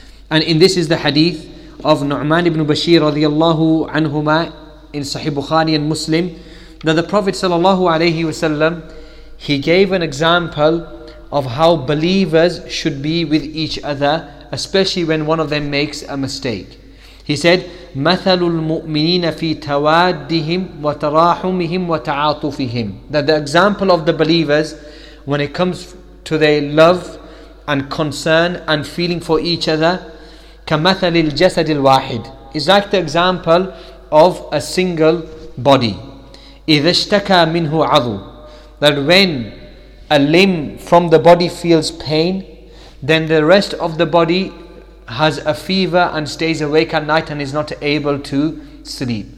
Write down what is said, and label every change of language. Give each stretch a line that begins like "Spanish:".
English: And in this is the hadith of Nu'man ibn Bashir radiallahu anhuma in Sahih Bukhari and Muslim, that the Prophet sallallahu alayhi wasallam, he gave an example of how believers should be with each other, especially when one of them makes a mistake. He said,
Arabic: مَثَلُ الْمُؤْمِنِينَ فِي تَوَادِّهِمْ وَتَرَاحُمِهِمْ وَتَعَاطُفِهِمْ.
English: That the example of the believers, when it comes to their love and concern and feeling for each other,
Arabic: كَمَثَلِ الْجَسَدِ الْوَاحِدِ,
English: is like the example of a single body.
Arabic: إِذَا اشْتَكَى مِنْهُ عَضُ,
English: that when a limb from the body feels pain, then the rest of the body has a fever and stays awake at night and is not able to sleep.